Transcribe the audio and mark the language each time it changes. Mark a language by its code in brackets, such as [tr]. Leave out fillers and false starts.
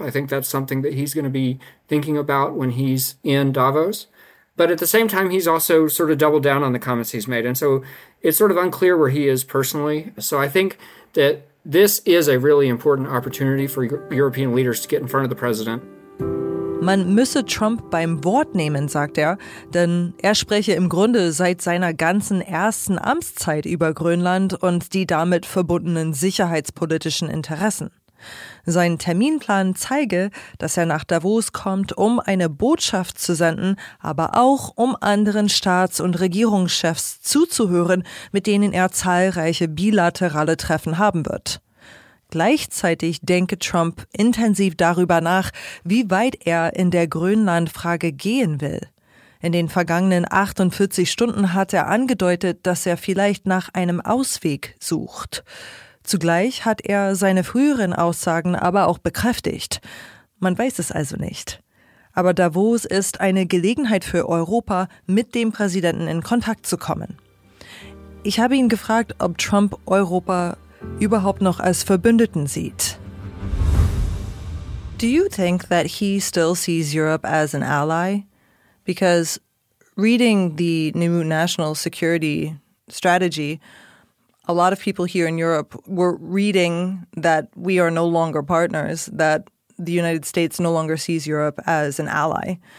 [en] I think that's something that he's going to be thinking about when he's in Davos. But at the same time, he's also sort of doubled down on the comments he's made. And so it's sort of unclear where he is personally. So I think that this is a really important opportunity for European leaders to get in front of the president. [de] Man müsse Trump beim Wort nehmen, sagt er, denn er spreche im Grunde seit seiner ganzen ersten Amtszeit über Grönland und die damit verbundenen sicherheitspolitischen Interessen. Sein Terminplan zeige, dass er nach Davos kommt, um eine Botschaft zu senden, aber auch um anderen Staats- und Regierungschefs zuzuhören, mit denen er zahlreiche bilaterale Treffen haben wird. Gleichzeitig denke Trump intensiv darüber nach, wie weit er in der Grönlandfrage gehen will. In den vergangenen 48 Stunden hat er angedeutet, dass er vielleicht nach einem Ausweg sucht. Zugleich hat er seine früheren Aussagen aber auch bekräftigt. Man weiß es also nicht. Aber Davos ist eine Gelegenheit für Europa, mit dem Präsidenten in Kontakt zu kommen. Ich habe ihn gefragt, ob Trump Europa überhaupt noch als Verbündeten sieht. [en] Do you think that he still sees Europe as an ally? Because reading the new national security strategy, a lot of people here in Europe were reading that we are no longer partners, that the United States no longer sees Europe as an ally.